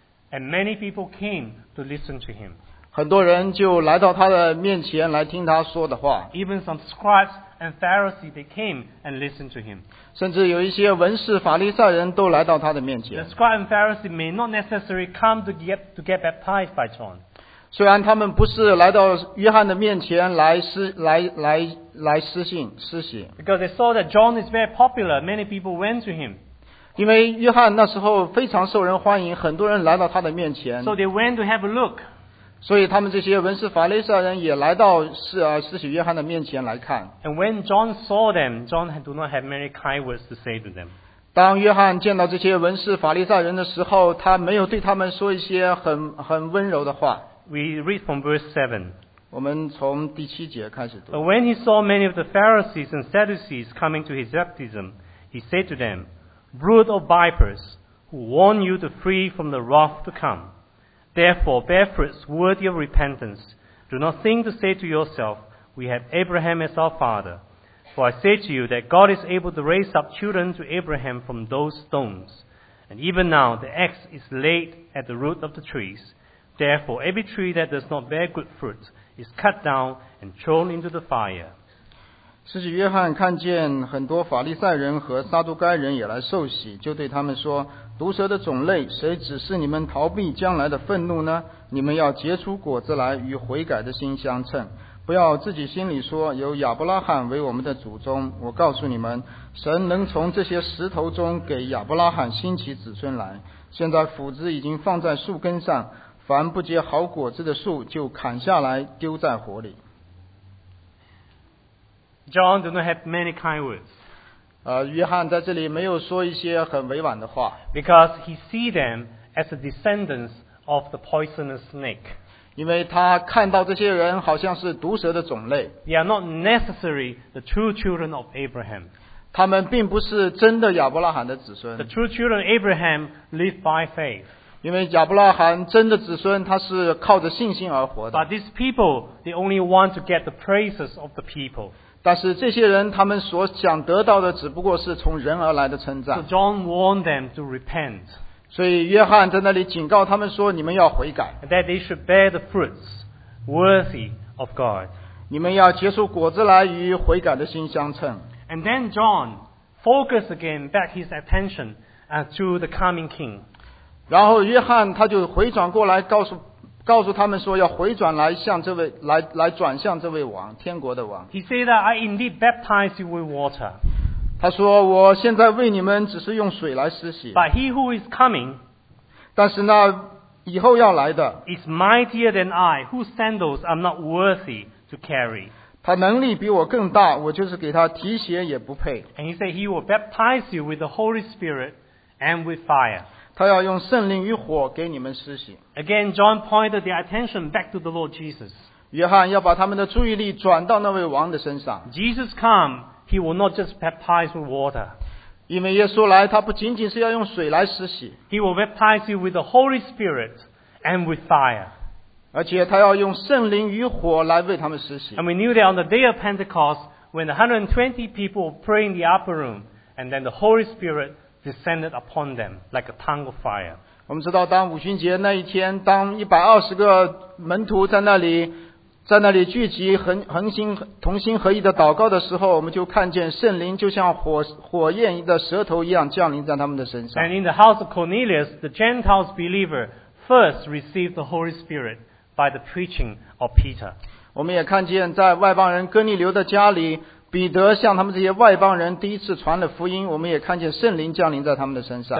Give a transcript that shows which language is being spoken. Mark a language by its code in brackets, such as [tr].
[en] And many people came to listen to him. [zh] 很多人就来到他的面前来听他说的话。 [en] Even some scribes and Pharisees, they came and listened to him. [zh] 甚至有一些文士、法利赛人都来到他的面前。 [en] The scribes and Pharisees may not necessarily come to get baptized by John. [zh] 虽然他们不是来到约翰的面前来施信施洗。 [en] Because they saw that John is very popular, many people went to him. [zh] 因为约翰那时候非常受人欢迎，很多人来到他的面前。 [en] So they went to have a look. [zh] 所以他们这些文士、法利赛人也来到使徒约翰的面前来看。 [en] And when John saw them, John do not have many kind words to say to them. [zh] 当约翰见到这些文士、法利赛人的时候，他没有对他们说一些很温柔的话。 [en] We read from verse 7. [zh] 我们从第七节开始读。 [en] But when he saw many of the Pharisees and Sadducees coming to his baptism, he said to them,Brood of vipers, who warn you to flee from the wrath to come. Therefore, bear fruits worthy of repentance. Do not think to say to yourself, We have Abraham as our father. For I say to you that God is able to raise up children to Abraham from those stones. And even now, the axe is laid at the root of the trees. Therefore, every tree that does not bear good fruit is cut down and thrown into the fire. [zh] 使徒约翰看见很多法利赛人和撒都该人也来受洗，就对他们说，毒蛇的种类，谁指示你们逃避将来的愤怒呢？你们要结出果子来，与悔改的心相称，不要自己心里说，有亚伯拉罕为我们的祖宗。我告诉你们，神能从这些石头中给亚伯拉罕兴起子孙来。现在斧子已经放在树根上，凡不结好果子的树就砍下来丢在火里。 [en] John did not have many kind words. [zh] 约翰在这里没有说一些很委婉的话。 [en] Because he see them as the descendants of the poisonous snake. [zh] 因为他看到这些人好像是毒蛇的种类。 [en] They are not necessarily the true children of Abraham. [zh] 他们并不是真的亚伯拉罕的子孙。 [en] The true children of Abraham live by faith. [zh] 因为亚伯拉罕真的子孙他是靠着信心而活的。 [en] But these people, they only want to get the praises of the people. [zh] 但是这些人他们所想得到的只不过是从人而来的称赞。 [en] So John warned them to repent. [zh] 所以约翰在那里警告他们说你们要悔改。 [en] That they should bear the fruits worthy of God. [zh] 你们要结出果子来与悔改的心相称。 [en] And then John focused again back his attention to the coming king. [zh] 然后约翰他就回转过来告诉他们说要回转来向这位来转向这位王天国的王。 [en] He said that I indeed baptize you with water. [zh] 他说我现在为你们只是用水来施洗。 [en] But he who is coming, [zh] 但是那以后要来的 [en] is mightier than I, whose sandals I'm not worthy to carry. [zh] 他能力比我更大，我就是给他提鞋也不配。 [en] And he said he will baptize you with the Holy Spirit and with fire. [zh] 他要用圣灵与火给你们施洗。 [en] Again, John pointed their attention back to the Lord Jesus. [zh] 约翰要把他们的注意力转到那位王的身上。 [en] Jesus come, he will not just baptize with water. [zh] 因为耶稣来，他不仅仅是要用水来施洗。 [en] He will baptize you with the Holy Spirit and with fire. [zh] 而且他要用圣灵与火来为他们施洗。 [en] And we knew that on the day of Pentecost, when 120 people pray in the upper room, and then the Holy Spirit descended upon them like a tongue of fire. [zh] 我们知道当五旬节那一天当120个门徒在那里聚集同心合一的祷告的时候我们就看见圣灵就像 火焰的舌头一样降临在他们的身上。 [en] And in the house of Cornelius, the Gentiles believer first received the Holy Spirit by the preaching of Peter. [zh] 我们也看见在外邦人哥尼流的家里彼得向他们这些外邦人第一次传了福音，我们也看见圣灵降临在他们的身上。